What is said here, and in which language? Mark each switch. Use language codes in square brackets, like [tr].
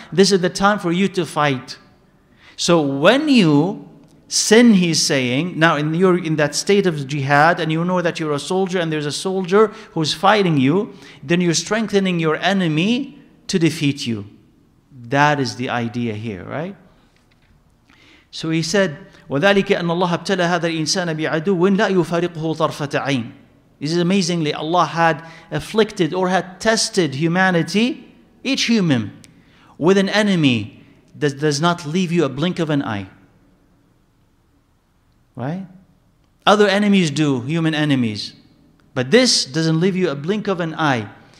[en] This is the time for you to fight. So when you sin, he's saying, now you're in that state of jihad, and you know that you're a soldier, and there's a soldier who's fighting you, then you're strengthening your enemy to defeat you. That is the idea here, right? So he said, [ar] وَذَلِكَ أَنَّ اللَّهَ ابْتَلَى هَذَا الْإِنسَانَ بِعَدُوٍ لَا يُفَارِقُهُ طَرْفَةَ عَيْنٍ. [en] This is amazingly, Allah had afflicted or had tested humanity, each human, with an enemy that does not leave you a blink of an eye. Right? Other enemies do, human enemies. But this doesn't leave you a blink of an eye.